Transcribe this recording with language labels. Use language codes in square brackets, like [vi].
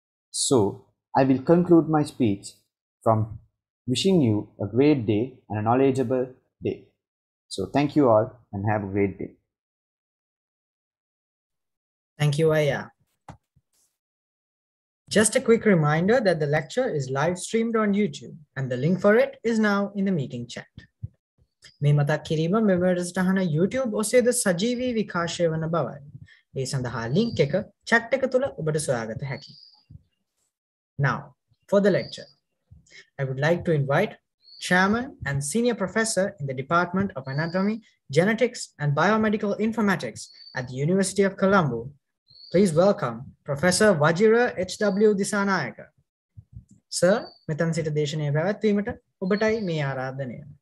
[en] So, I will conclude my speech from wishing you a great day and a knowledgeable day. So, thank you all and have a great day. Thank you, Aya. Just a quick reminder that the lecture is live streamed on YouTube and the link for it is now in the meeting chat. [si] මේ මතක් කිරීම මෙම වැඩසටහන YouTube ඔස්සේද සජීවී විකාශය වන බවයි. ඒ සඳහා link එක chat එක තුළ ඔබට සොයාගත හැකියි. [en] Now, for the lecture, I would like to invite Chairman and Senior Professor in the Department of Anatomy, Genetics and Biomedical Informatics at the University of Colombo. Please welcome Professor Vajira H.W. Dissanayake. [si] Sir, මෙතන සිට දේශනය පැවැත්වීමට ඔබටයි මේ ආරාධනය.